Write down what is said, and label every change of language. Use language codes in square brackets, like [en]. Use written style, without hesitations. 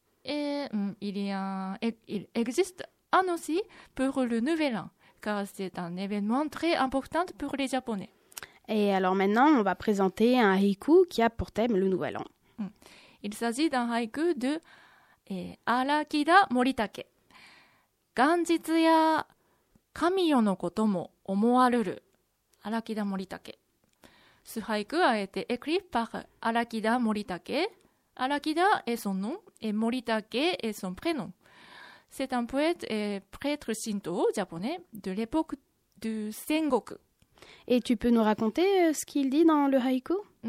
[fr] Et il existe un aussi pour le nouvel an, car c'est un événement très important pour les Japonais. Et alors maintenant, on va présenter un haïku qui a pour thème le nouvel an. Il s'agit d'un haïku de Arakida Moritake. [ja] 元日や神代のことも思われる荒木田森竹。 [fr] Ce haïku a été écrit par 荒木田森竹。荒木田 est son nom et 森竹 est son prénom. C'est un poète et prêtre shinto japonais de l'époque du Sengoku. Et tu peux nous raconter ce qu'il dit dans le haïku?